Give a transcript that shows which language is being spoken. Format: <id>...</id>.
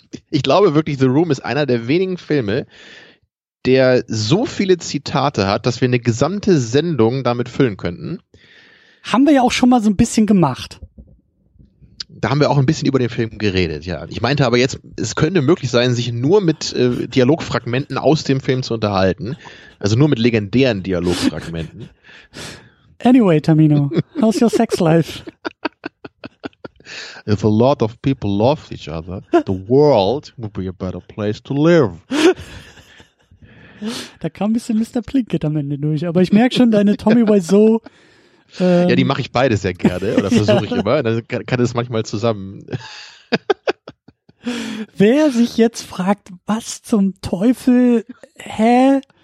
<de>Ich glaube wirklich, The Room ist einer der wenigen Filme, der so viele Zitate hat, dass wir eine gesamte Sendung damit füllen könnten. Haben wir ja auch schon mal so ein bisschen gemacht. Da haben wir auch ein bisschen über den Film geredet, ja. Ich meinte aber jetzt, es könnte möglich sein, sich nur mit Dialogfragmenten aus dem Film zu unterhalten. Also nur mit legendären Dialogfragmenten.</de> <en>Anyway, Tamino, how's your sex life? If a lot of people loved each other, the world would be a better place to live.</en> <de>Da kam ein bisschen Mr. Plinkett am Ende durch, aber ich merke schon, deine Tommy Wiseau. Ja, die mache ich beide sehr gerne oder versuche ich immer. Dann kann das manchmal zusammen. Wer sich jetzt fragt, was zum Teufel, hä?</de>